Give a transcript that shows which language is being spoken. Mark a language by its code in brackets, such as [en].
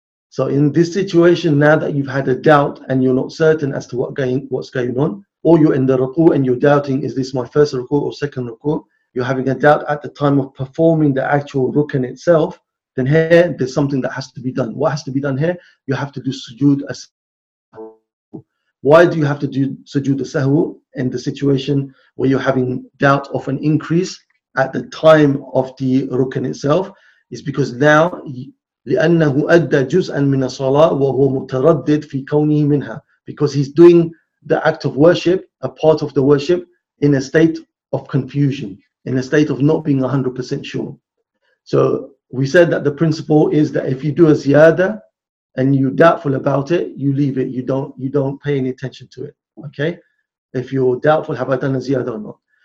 [en] So in this situation, now that you've had a doubt and you're not certain as to what's going on, or you're in the ruku' and you're doubting, is this my first ruku' or second ruku', you're having a doubt at the time of performing the actual rukun itself, then here there's something that has to be done. What has to be done here? You have to do sujood as-sahu. Why do you have to do sujood as-sahu in the situation where you're having doubt of an increase at the time of the rukun itself? Is because now, [ar] لِأَنَّهُ أَدَّى جُزْءًا مِنَ الصَّلَاةِ وَهُوَ مُتَرَدِّدْ فِي كَوْنِهِ مِنْهَا. [en] Because he's doing the act of worship, a part of the worship, in a state of confusion, in a state of not being 100% sure. So we said that the principle is that if you do a ziyada and you're doubtful about it, you leave it. You don't pay any attention to it. Okay? If you're doubtful, have I done a ziyada or not?